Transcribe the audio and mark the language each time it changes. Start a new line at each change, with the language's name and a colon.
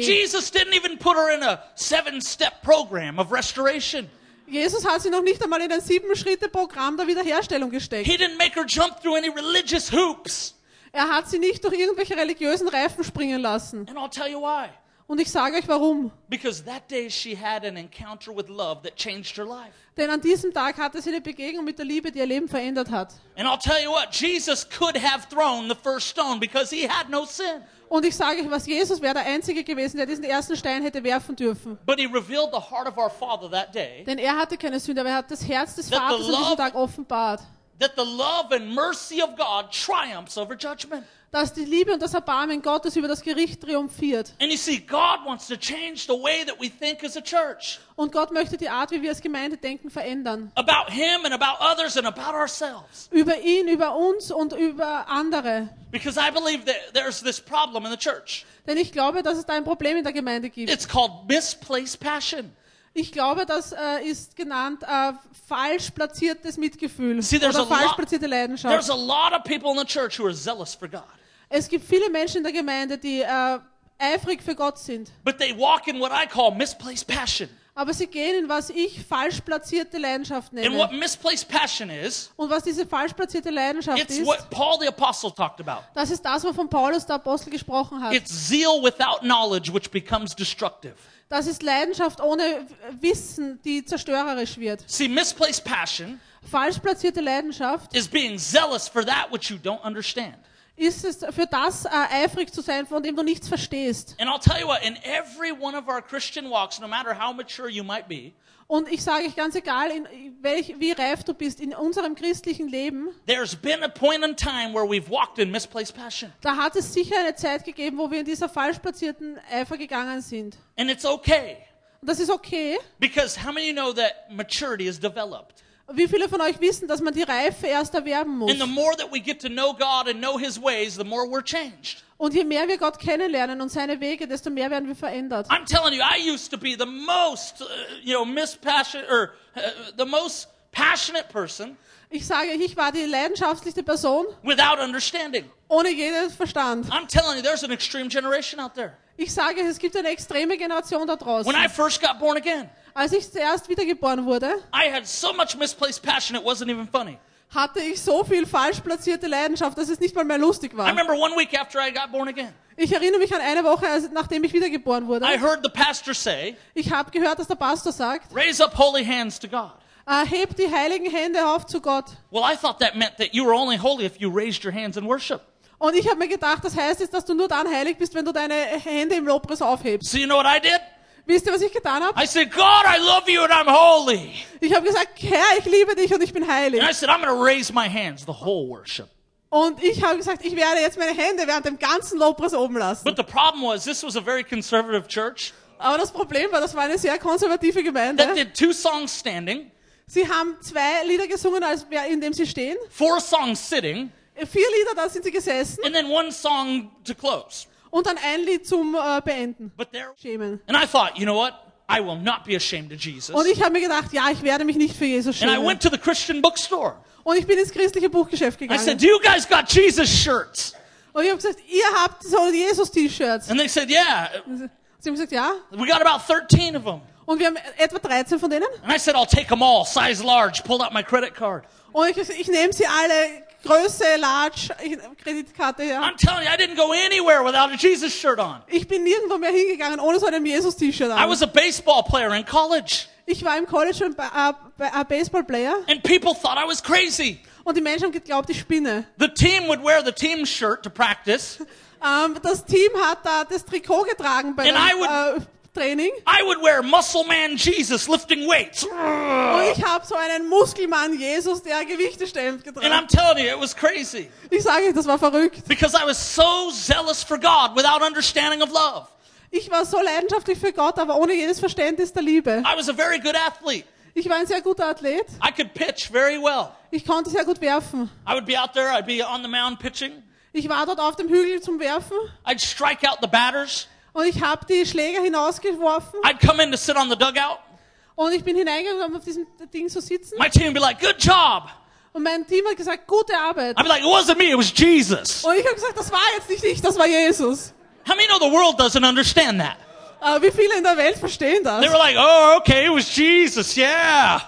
English: Jesus didn't even put her in a 7-step program of restoration.
German: Jesus hat sie noch nicht einmal in ein 7-Schritte-Programm der Wiederherstellung gesteckt.
English: He didn't make her jump through any religious hoops.
German: Er hat sie nicht durch irgendwelche religiösen Reifen springen lassen.
English: And I'll tell you why.
German: Und ich sage euch warum.
English: Because that day she had an encounter with love that changed her life.
German: Denn an diesem Tag hatte sie eine Begegnung mit der Liebe, die ihr Leben verändert hat.
English: And I'll tell you what, Jesus could have thrown the first stone because he had no sin.
German: Und ich sage euch was, Jesus wäre der Einzige gewesen, der diesen ersten Stein hätte werfen dürfen.
English: But he revealed the heart of our Father that day.
German: Denn er hatte keine Sünde, aber er hat das Herz des Vaters an diesem Tag offenbart.
English: That the love and mercy of God triumphs over judgment.
German: Dass die Liebe und das Erbarmen Gottes über das Gericht triumphiert.
English: And you see, God wants to change the way that we think as a church.
German: Und Gott möchte die Art, wie wir als Gemeinde denken, verändern.
English: About him and about others and about ourselves.
German: Über ihn, über uns und über andere.
English: Because I believe that there's this problem in the church.
German: Denn ich glaube, dass es da ein Problem in der Gemeinde gibt.
English: It's called misplaced passion.
German: Ich glaube, das ist genannt falsch platziertes Mitgefühl oder falsch platzierte Leidenschaft.
English: There's a lot of people in the church who are zealous for God.
German: Es gibt viele Menschen in der Gemeinde, die eifrig für Gott sind.
English: But they walk in what I call misplaced passion.
German: Aber sie gehen in was ich falsch platzierte Leidenschaft nenne.
English: And what misplaced passion is,
German: und was diese falsch platzierte Leidenschaft
English: it's
German: ist,
English: what Paul the Apostle talked about.
German: Das ist das, wovon Paulus der Apostel gesprochen hat.
English: It's zeal without knowledge which becomes destructive.
German: Das ist Leidenschaft ohne Wissen, die zerstörerisch wird.
English: See, misplaced passion
German: falsch platzierte Leidenschaft
English: is being zealous for that which you don't understand.
German: Ist es für das eifrig zu sein, von dem du nichts verstehst.
English: And I'll tell you what, in every one of our Christian walks, no matter how mature you might be,
German: und ich sage euch ganz egal, wie reif du bist, in unserem christlichen Leben,
English: there's been a point in time where we've walked in misplaced passion.
German: Da hat es sicher eine Zeit gegeben, wo wir in dieser falsch platzierten Eifer gegangen sind.
English: And it's okay.
German: Das ist okay.
English: Because how many know that maturity is developed?
German: Wie viele von euch wissen, dass man die Reife erst erwerben muss?
English: And the more that we get to know God and know his ways, the more we're changed.
German: Und je mehr wir Gott kennenlernen und seine Wege, desto mehr werden wir verändert.
English: I'm telling you, I used to be the most, the most passionate person.
German: Ich sage, ich war die leidenschaftlichste Person.
English: Without understanding.
German: Ohne jeden Verstand.
English: I'm telling you, there's an extreme generation out there.
German: Ich sage, es gibt eine extreme Generation da draußen.
English: When I first got born again.
German: Als ich zuerst wiedergeboren wurde.
English: I had so much misplaced passion, it wasn't even funny.
German: Hatte ich so viel falsch platzierte Leidenschaft, dass es nicht mal mehr lustig war.
English: I remember one week after I got born again.
German: Ich erinnere mich an eine Woche, nachdem ich wiedergeboren wurde.
English: I heard the pastor say.
German: Ich habe gehört, dass der Pastor sagt.
English: Raise up holy hands to God.
German: Heb die heiligen Hände auf zu Gott.
English: Well, I thought that meant that you were only holy if you raised your hands in worship.
German: Und ich habe mir gedacht, das heißt jetzt, dass du nur dann heilig bist, wenn du deine Hände im Lobpreis aufhebst.
English: So you know what I did?
German: Wisst ihr, was ich getan habe?
English: I said, God, I love you and I'm holy.
German: Ich habe gesagt, Herr, ich liebe dich und ich bin heilig.
English: And I said, I'm going to raise my hands the whole worship.
German: Und ich habe gesagt, ich werde jetzt meine Hände während dem ganzen Lobpreis oben lassen.
English: But the problem was, this was a very conservative church.
German: Aber das Problem war, das war eine sehr konservative Gemeinde.
English: That did two songs standing.
German: Sie haben zwei Lieder gesungen, als indem sie stehen.
English: Four songs sitting.
German: Vier Lieder, da sind sie gesessen.
English: And then one song to close.
German: Und dann ein Lied zum Beenden. Schämen.
English: And I thought, you know what? I will not be ashamed of Jesus.
German: Und ich habe mir gedacht, ja, ich werde mich nicht für Jesus schämen.
English: And I went to the Christian bookstore.
German: Und ich bin ins christliche Buchgeschäft gegangen.
English: I said, do you guys got Jesus shirts?
German: Und ich habe gesagt, ihr habt so Jesus T-Shirts.
English: And they said, yeah.
German: Sie haben gesagt, ja.
English: We got about 13 of them.
German: Und wir haben etwa 13 von denen.
English: And I said, I'll take them all, size large. Pulled out my credit card.
German: Und ich habe gesagt, ich nehme sie alle. Größe, large, Kreditkarte, ja.
English: I'm telling you, I didn't go anywhere without a Jesus shirt on.
German: Ich bin nirgendwo mehr hingegangen ohne so ein Jesus T-Shirt an.
English: I was a baseball player in college.
German: Ich war im College ein Baseball Player.
English: And people thought I was crazy.
German: Und die Menschen haben geglaubt, ich spinne.
English: The team would wear the team shirt to practice.
German: Das Team hat da das Trikot getragen bei Training.
English: I would wear muscle man Jesus lifting weights.
German: Und ich habe so einen Muskelmann Jesus, der Gewichte stemmt, getragen.
English: And I'm telling you, it was crazy.
German: Ich sage euch, das war verrückt.
English: Because I was so zealous for God without understanding of love.
German: Ich war so leidenschaftlich für Gott, aber ohne jedes Verständnis der Liebe.
English: I was a very good athlete.
German: Ich war ein sehr guter Athlet.
English: I could pitch very well.
German: Ich konnte sehr gut werfen.
English: I would be out there, I'd be on the mound pitching.
German: Ich war dort auf dem Hügel zum Werfen.
English: I'd strike out the batters.
German: Und ich habe die Schläger hinausgeworfen.
English: I'd come in to sit on the dugout.
German: Und ich bin hineingegangen, auf diesem Ding zu sitzen.
English: My team be like, good job.
German: Und mein Team hat gesagt, gute Arbeit.
English: I'd be like, it wasn't me, it was Jesus.
German: Und ich habe gesagt, das war jetzt nicht ich, das war Jesus.
English: How many know the world doesn't understand that?
German: Wie viele in der Welt verstehen das?
English: They were like, oh, okay, it was Jesus, yeah.